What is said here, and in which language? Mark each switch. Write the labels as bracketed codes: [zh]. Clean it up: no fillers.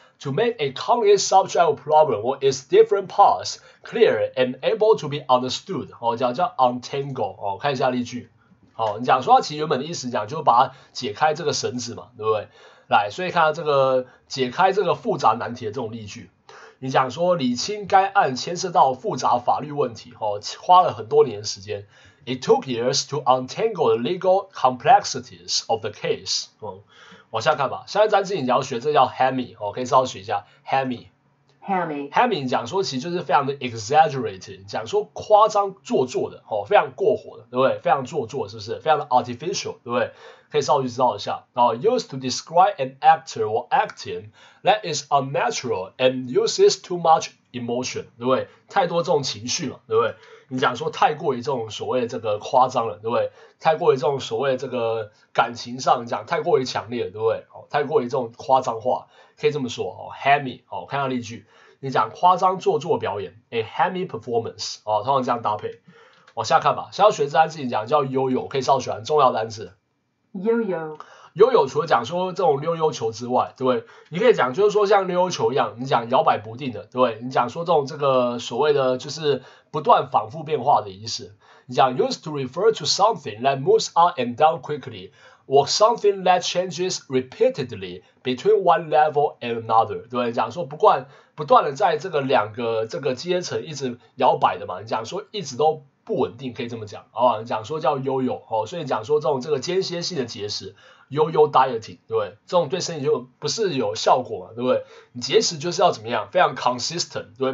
[en] To make a complex subject or problem or its different parts clear and able to be understood， [zh] 哦，叫 [en] untangle [zh] 哦，看一下例句。哦，你讲说它其实原本的意思讲就是把它解开这个绳子嘛，对不对？来，所以看到这个解开这个复杂难题的这种例句，你讲说理清该案牵涉到复杂法律问题，哦，花了很多年时间。 [en] It took years to untangle the legal complexities of the case。 [zh] 哦，往下看吧。下一站是你要学，这叫 hammy，哦，可以稍微学一下 hammy。 [en] hammy [zh] 讲说其实就是非常的 exaggerated， 讲说夸张做作的，哦，非常过火的，对不对？非常做作，是不是？非常的 artificial， 对不对？可以稍微知道一下。 [en] Used to describe an actor or acting that is unnatural and uses too much emotion， [zh] 对不对？太多这种情绪嘛，对不对？你讲说太过于这种所谓的这个夸张了，对不对？太过于这种所谓的这个感情上讲太过于强烈了，对不对？哦，太过于这种夸张化，可以这么说哦。 Hammy 哦，看下例句，你讲夸张做作表演 ， [en] a hammy performance [zh] 哦，通常这样搭配。往下看吧，想要学这单词，你讲叫 yo yo， 可以稍微学，很重要的单词。 [en] yo yo [zh] 悠悠除了讲说这种溜溜球之外，对不对？你可以讲就是说像溜溜球一样，你讲摇摆不定的，对不对？你讲说这种这个所谓的就是不断反复变化的意思。你讲 [en] used to refer to something that moves up and down quickly or something that changes repeatedly between one level and another， [zh] 对不对？讲说不断的在这个两个这个阶层一直摇摆的嘛，你讲说一直都不稳定，可以这么讲，好吧？你讲说叫悠悠哦，所以讲说这种这个间歇性的节食。悠悠 dieting， 对不对？这种对身体就不是有效果嘛，对不对？你节食就是要怎么样，非常 consistent， 对不对？